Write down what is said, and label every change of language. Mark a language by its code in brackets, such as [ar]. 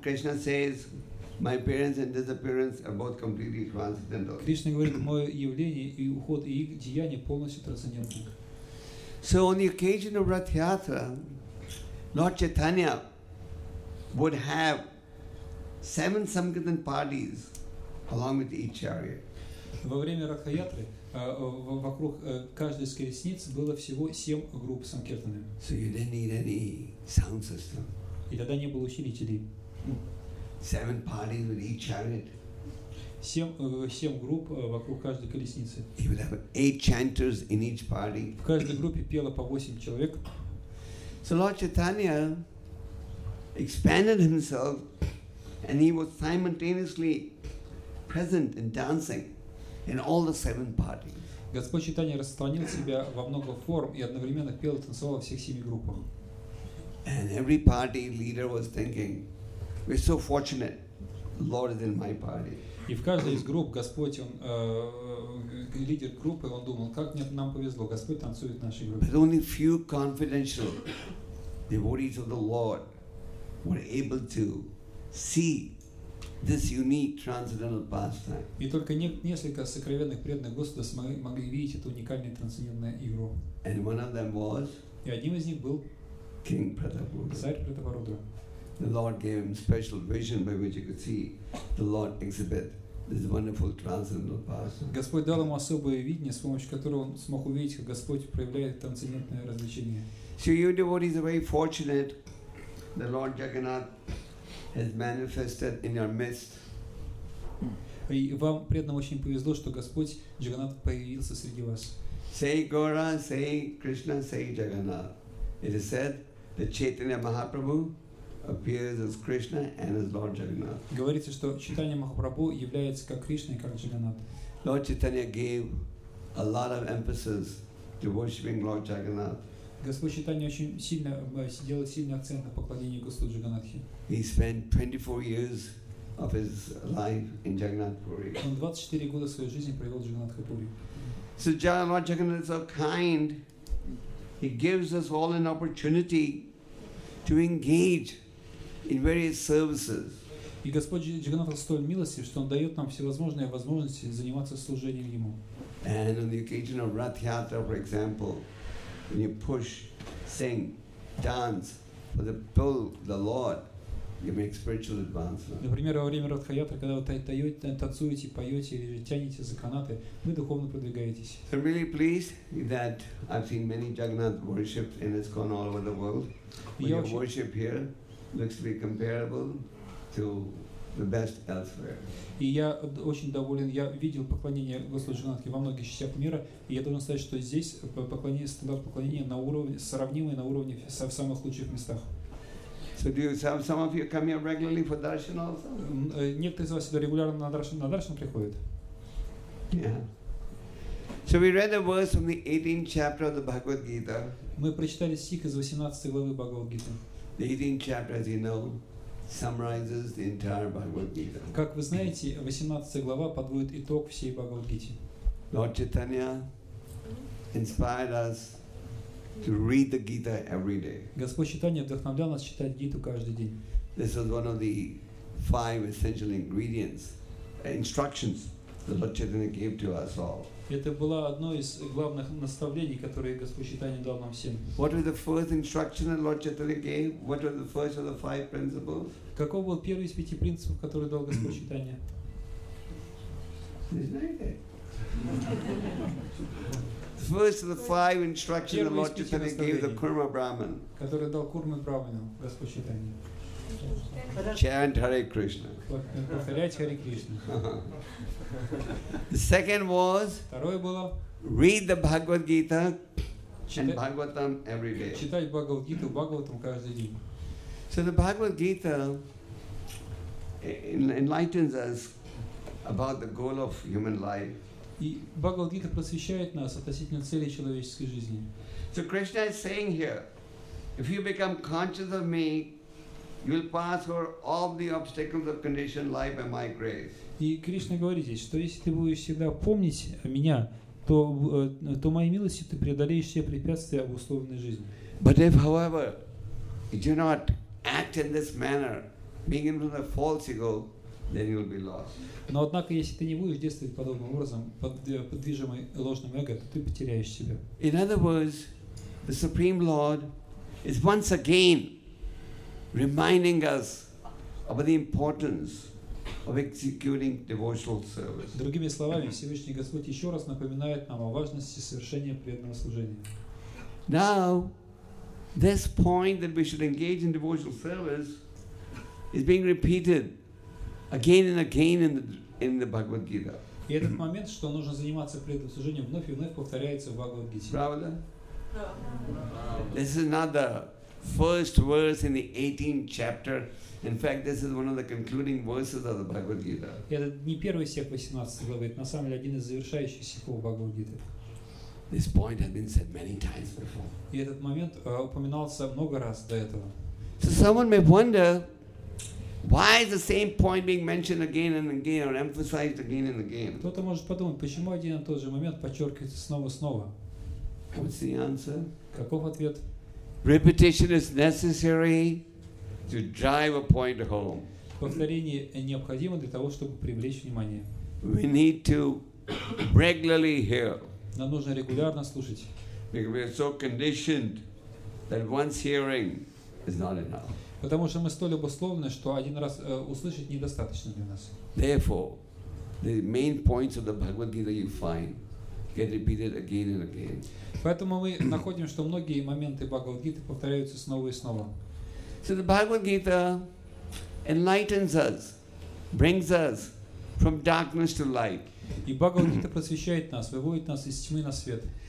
[en] Krishna says, my appearance and disappearance are both completely transcendental. [ru] Кришна говорит, мое явление и уход и деяния полностью трансцендентны. [en] So on the occasion of Rath Yatra, Lord Chaitanya would have 7 Sankirtan parties along with each chariot. [ru] Во время Ракхаятры вокруг каждой из колесниц было всего 7 групп санкиртаны. [en] So you didn't need any sound system. [ru] И тогда не было усилителей. [en] 7 parties with each chariot. [ru] 7 групп вокруг каждой колесницы. [en] He would have 8 chanters in each party. [ru] В каждой группе пело по 8 человек. [en] So Lord Chaitanya expanded himself and he was simultaneously present and dancing in all the 7 parties. [ru] Господь Чайтанья распространил себя во много форм и одновременно пел и танцевал во всех 7 группах. [en] And every party leader was thinking, we're so fortunate, the Lord is in my party. [ru] И в каждой из групп Господь, он лидер группы, он думал, как нам повезло, Господь танцует в нашей группе. [en] But only few confidential devotees of the Lord were able to see this unique transcendental pastime. [ru] И только несколько сокровенных преданных Господа могли видеть эту уникальную трансцендентную игру. [en] And one of them was. [ru] И одним из них был. [en] King Pratapurudra. [ru] Царь Пратапарудра. [en] The Lord gave him special vision by which he could see the Lord exhibit this wonderful transcendental pastime. [ru] Господь дал ему особое видение, с помощью которого он смог увидеть, как Господь проявляет трансцендентное развлечение. [en] So you devotees are very fortunate. The Lord Jagannath has manifested in your midst. [ru] И вам преданным очень повезло, что Господь Джаганнат появился среди вас. [en] Say Gaura, say Krishna, say Jagannath. It is said that Chaitanya Mahaprabhu appears as Krishna and as Lord Jagannath. [ru] Говорится, что Чайтанья Махапрабху является как Кришна и как Джаганнат. [en] Lord Chaitanya gave a lot of emphasis to worshiping Lord Jagannath. [ru] Господь Чайтанья очень сильно делал сильный акцент на поклонении Господу Джаганатхе. [en] He spent 24 years of his life in Jagannath Puri. [ru] Он 24 года своей жизни провел в Джагнатхе Пури. [en] So Lord Jagannath is so kind. He gives us all an opportunity to engage in various services. [ru] И Господь Джагнатх столь милостив, что он дает нам всевозможные возможности заниматься служением ему. [en] And on the occasion of Rath Yatra, for example, when you push, sing, dance for the pull, the Lord, you make spiritual advancement. [ru] Например, во время Ратха Ятры, когда вы танцуете, поете или тянете за канаты, вы духовно продвигаетесь. [en] I'm really pleased that I've seen many Jagannath worshipped in ISKCON all over the world. Your worship here looks to be comparable to the best elsewhere. [ru] И я очень доволен. Я видел поклонение Господу Джаганатхе во многих частях мира, и я должен сказать, что здесь поклонение, стандарт поклонения на уровне, сравнимый на уровне в самых лучших местах. [en] So do some of you come here regularly for darshan also? [ru] Некоторые из вас сюда регулярно на даршан приходят. [en] Yeah. So we read a verse from the 18th chapter of the Bhagavad Gita. [ru] Мы прочитали стих из 18 главы Бхагавад Гиты. [en] The 18th chapter, as you know, summarizes the entire Bhagavad Gita. [ru] Как вы знаете, 18 глава подводит итог всей Бхагавад Гиты. [en] Lord Chaitanya inspired us to read the Gita every day. [ru] Господь Чайтанья вдохновлял нас читать Гиту каждый день. [en] This is one of the 5 essential ingredients, instructions that Lord Chaitanya gave to us all. [ru] Это было одно из главных наставлений, которые Господь Чайтанья дал нам всем. [en] What was the first instruction that Lord Chaitanya gave? What was the first of the 5 principles? [ru] Каков был первый из 5 принципов, которые дал Господь Чайтанья? [en] First of the 5 instructions that Lord Chaitanya gave the Kurma Brahman. [ru] Который дал Курме Брахману Господь Чайтанья. [en] Chant Hare Krishna. [ru] Повторять Харе Кришна. [en] The second was. [ru] Второе было. [en] Read the Bhagavad Gita and Bhagavatam every day. [ru] Читать Бхагавад Гиту, Бхагаватам каждый день. [en] So the Bhagavad Gita enlightens us about the goal of human life. [ru] И Бхагавад Гита просвещает нас относительно цели человеческой жизни. [en] So Krishna is saying here, if you become conscious of me, you will pass over all the obstacles of conditioned life by my grace. [ru] И Кришна говорит здесь, что если ты будешь всегда помнить о меня, то моей милостью ты преодолеешь все препятствия обусловленной жизни. [en] But if, however, you do not act in this manner, being in the false ego, then you will be lost. [ru] Но однако, если ты не будешь действовать подобным образом, подвижимый ложным эго, то ты потеряешь себя. [en] In other words, the Supreme Lord is once again reminding us about the importance of executing devotional service. [ru] Другими словами, Всевышний Господь еще раз напоминает нам о важности совершения преданного служения. Now, this point that we should engage in devotional service is being repeated again and again in the Bhagavad Gita. И этот момент, что нужно заниматься преданным служением, вновь и вновь повторяется в Бхагавад Гите. Правда? [en] This is not the first verse in the 18th chapter. In fact, this is one of the concluding verses of the Bhagavad Gita. [ru] Это не первый стих 18 главы, на самом деле один из завершающих стихов Бхагавад Гиты. [en] This point has been said many times before. [ru] И этот момент упоминался много раз до этого. [en] So someone may wonder, why is the same point being mentioned again and again, or emphasized again and again? [ru] Кто-то может подумать, почему один и тот же момент подчеркивается снова и снова? [en] What's the answer? [ru] Каков ответ? [en] Repetition is necessary to drive a point home. [ru] Повторение необходимо для того, чтобы привлечь внимание. [en] We need to regularly hear. [ru] Нам нужно регулярно слушать. [en] Because we are so conditioned that once hearing is not enough. [ru] Потому что мы столь обусловлены, что один раз услышать недостаточно для нас. [en] Therefore, the main points of the Bhagavad Gita you find get repeated again and again. [ru] Поэтому мы находим, что многие моменты Бхагавад Гиты повторяются снова и снова. [en] So the Bhagavad Gita enlightens us, brings us from darkness to light. [ru] И Бхагавад Гита просвещает нас, выводит нас из тьмы на свет.